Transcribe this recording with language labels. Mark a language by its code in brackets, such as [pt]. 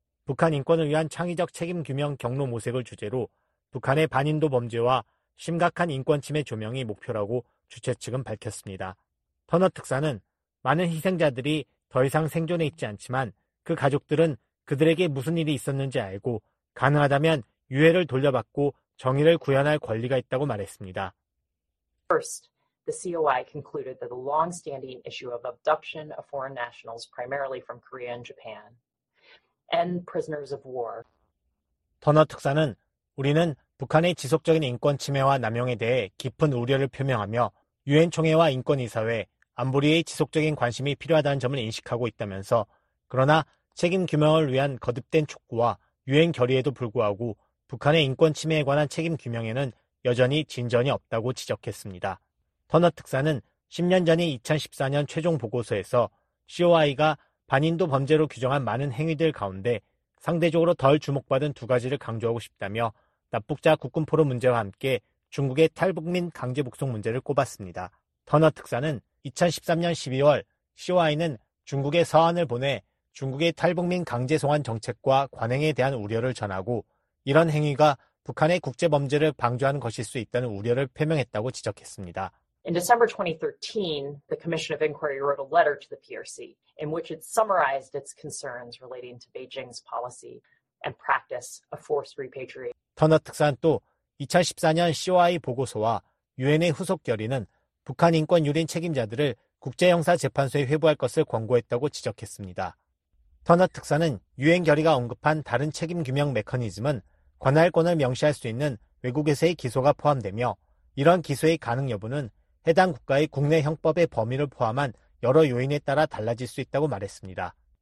[ko] 북한 인권을 위한 창의적 책임 규명 경로 모색을 주제로 북한의 반인도 범죄와 심각한 인권 침해 조명이 목표라고 주최 측은 밝혔습니다. 터너 특사는 많은 희생자들이 더 이상 생존해 있지 않지만 그 가족들은 그들에게 무슨 일이 있었는지 알고 가능하다면 유해를 돌려받고 정의를 구현할 권리가 있다고 말했습니다. [en] First, the COI concluded that the long-standing issue of abduction of foreign nationals primarily from Korea and Japan and prisoners of war. [ko] 터너 특사는 우리는 북한의 지속적인 인권 침해와 남용에 대해 깊은 우려를 표명하며 유엔 총회와 인권 이사회, 안보리의 지속적인 관심이 필요하다는 점을 인식하고 있다면서 그러나 책임 규명을 위한 거듭된 촉구와 유엔 결의에도 불구하고 북한의 인권 침해에 관한 책임 규명에는 여전히 진전이 없다고 지적했습니다. 터너 특사는 10년 전인 2014년 최종 보고서에서 COI가 반인도 범죄로 규정한 많은 행위들 가운데 상대적으로 덜 주목받은 두 가지를 강조하고 싶다며 납북자 국군 포로 문제와 함께 중국의 탈북민 강제 북송 문제를 꼽았습니다. 터너 특사는 2013년 12월 COI는 중국에 서한을 보내 중국의 탈북민 강제 송환 정책과 관행에 대한 우려를 전하고 이런 행위가 북한의 국제 범죄를 방조하는 것일 수 있다는 우려를 표명했다고 지적했습니다. [en] In December 2013, the Commission of Inquiry wrote a letter to the PRC in which it summarized its concerns relating to Beijing's policy and practice of forced repatriation. [ko] 터너 특사는 또 2014년 COI 보고서와 UN의 후속 결의는 북한 인권 유린 책임자들을 국제형사재판소에 회부할 것을 권고했다고 지적했습니다. 터너 특사는 UN 결의가 언급한 다른 책임 규명 메커니즘은 관할권을 명시할 수 있는 외국에서의 기소가 포함되며 이런 기소의 가능 여부는 해당 국가의 국내 형법의 범위를 포함한 여러 요인에 따라 달라질 수 있다고 말했습니다.